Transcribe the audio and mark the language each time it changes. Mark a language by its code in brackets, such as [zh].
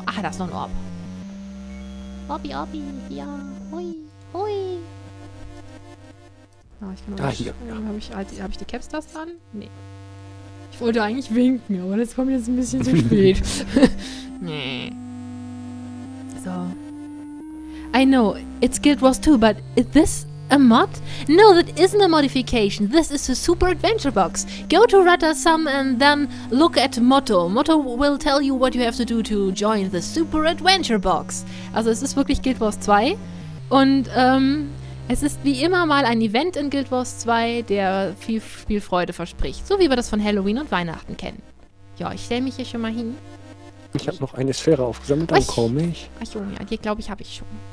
[de] Ah, da ist noch ein Orb. Orbi, ja. Hui. Ah, ich kann auch nicht... Ja. Hab ich die Caps-Taste an? Nee. Ich wollte eigentlich winken, aber das kommt jetzt ein bisschen zu spät. Nee. So. [en] I know, it's Guild Wars 2, but is this a mod? No, that isn't a modification. This is a super adventure box. Go to Ratasum and then look at Motto. Motto will tell you what you have to do to join the super adventure box. [de] Also es ist wirklich Guild Wars 2 und es ist wie immer mal ein Event in Guild Wars 2, der viel Spielfreude verspricht. So wie wir das von Halloween und Weihnachten kennen. Ja, ich stelle mich hier schon mal hin. Ich habe noch eine Sphäre aufgesammelt, dann komme ich. Ach Junge, die glaube ich habe ich schon.